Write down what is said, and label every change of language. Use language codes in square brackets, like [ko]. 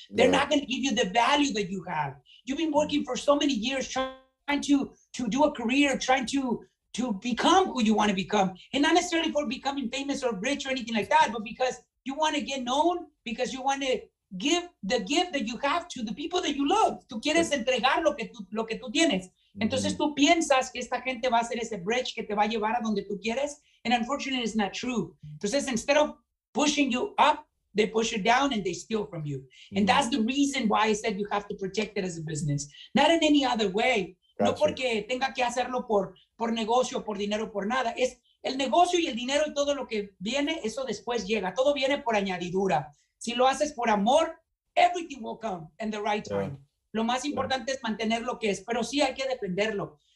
[en] They're not going to give you the value that you have. You've been working for so many years trying to do a career, trying to become who you want to become. And not necessarily for becoming famous or rich or anything like that, but because you want to get known, because you want to give the gift that you have to the people that you love. [es] Tú quieres entregar lo que tú tienes. Entonces tú piensas que esta gente va a hacer ese bridge que te va a llevar a donde tú quieres. [en] And unfortunately, it's not true. Entonces, instead of pushing you up, they push you down and they steal from you. And that's the reason why I said you have to protect it as a business. Not in any other way. No Gotcha. [es] porque tenga que hacerlo por negocio, por dinero, por nada. Es el negocio y el dinero y todo lo que viene, eso después llega. Todo viene por añadidura. Si lo haces por amor, [en] everything will come in the right Yeah. [es] time. Lo más [en] Yeah. [es] importante es mantener lo que es, pero sí hay que defenderlo.